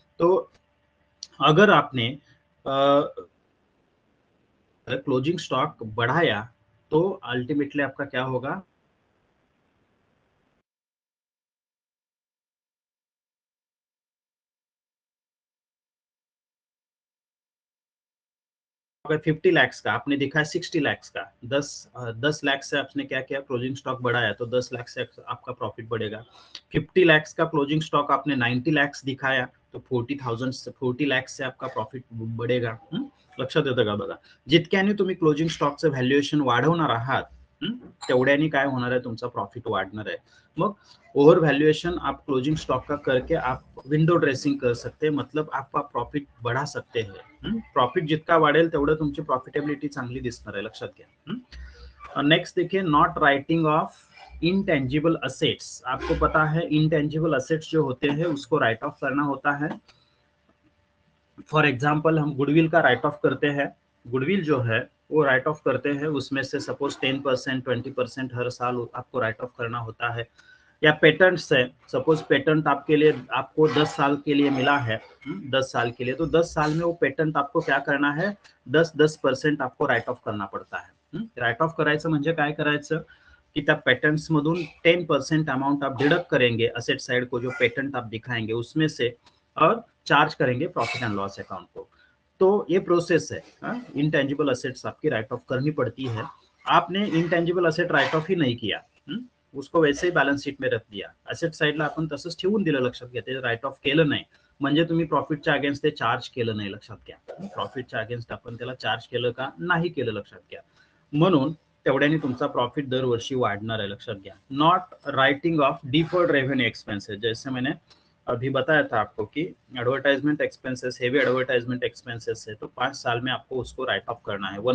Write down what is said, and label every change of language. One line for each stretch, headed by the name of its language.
Hindi: तो अगर आपने क्लोजिंग स्टॉक बढ़ाया तो अल्टीमेटली आपका क्या होगा, अगर 50 लाख का आपने दिखाया 60 लाख का, 10 लाख से आपने क्या किया, क्लोजिंग स्टॉक बढ़ाया, तो 10 लाख से आपका प्रॉफिट बढ़ेगा। 50 लाख का क्लोजिंग स्टॉक आपने 90 लाख दिखाया, तो 40 लाख से आपका प्रॉफिट बढ़ेगा।
Marathi: लक्षात येतं का बघा, जितक्याने तुम्ही क्लोजिंग स्टॉकचं व्हॅल्युएशन वाढवणार आहात तेवढ्याने काय होणार आहे, तुमचा प्रॉफिट वाढणार आहे।
Hindi: मग ओव्हर व्हॅल्युएशन आप क्लोजिंग स्टॉक का करके आप विंडो ड्रेसिंग कर सकते, मतलब आपका प्रॉफिट बढ़ा सकते है।
Marathi: प्रॉफिट जितका वाढेल तेवढं तुमची प्रॉफिटेबिलिटी चांगली दिसणार आहे, लक्षात घ्या।
English: next
Hindi: देखिए,
English: Not writing off intangible assets.
Hindi: आपको पता है इनटेंजिबल असेट्स जो होते हैं उसको राइट ऑफ करना होता है। फॉर एग्जाम्पल हम गुडविल का राइट ऑफ करते हैं, गुडविल जो है वो राइट ऑफ करते हैं, उसमें से सपोज 10% 20% हर साल आपको राइट ऑफ करना होता है। या पेटेंट्स है, सपोज पेटेंट आपके लिए आपको 10 साल के लिए मिला है, 10 साल के लिए, तो 10 साल में वो पेटेंट आपको क्या करना है, 10% आपको राइट ऑफ करना पड़ता है।
Marathi: राइट ऑफ कराए म्हणजे काय करायचं,
Hindi: कि तब पेटेंट्स मधून 10% अमाउंट आप डिडक्ट करेंगे असेट साइड को, जो पेटेंट आप दिखाएंगे उसमें से, और चार्ज करेंगे प्रॉफिट एंड लॉस अकाउंट को। तो ये प्रोसेस है, इनटेंजिबल असेट्स आपकी राइट ऑफ करनी पड़ती है। आपने इनटेंजिबल असेट राइट ऑफ ही नहीं किया, उसको वैसे ही बॅलन्स शीट में रख दिया,
Marathi: असेट साइड ला आपण तसंच ठेवून दिलं, लक्षात घ्या, ते राईट ऑफ केलं नाही, म्हणजे तुम्ही प्रॉफिटच्या अगेन्स्ट ते चार्ज केलं नाही, लक्षात घ्या, प्रॉफिटच्या अगेन्स्ट आपण त्याला चार्ज केलं का नाही केलं लक्षात घ्या, म्हणून तेवढ्याने तुमचा प्रॉफिट दरवर्षी वाढणार आहे, लक्षात घ्या.
Hindi: Not writing of deferred revenue expenses, जैसे मैंने अभी बताया था आपको कि advertisement expenses, heavy advertisement expenses है तो 5 साल में आपको उसको राइट ऑफ करना है.